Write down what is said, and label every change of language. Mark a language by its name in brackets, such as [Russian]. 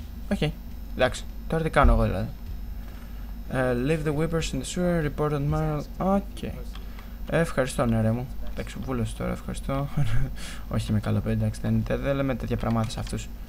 [Greek] Οκ, εντάξει, τώρα τι κάνω εγώ δηλαδή. [English] Leave the weepers in the sewer, report on Marl. [Greek] Οκ. Ευχαριστώ, νερέ μου. Εντάξει, βούλωσε τώρα, ευχαριστώ. Όχι, είμαι καλό παιδί, εντάξει, δεν είναι. Δεν λέμε τέτοια πράγματα σε αυτούς.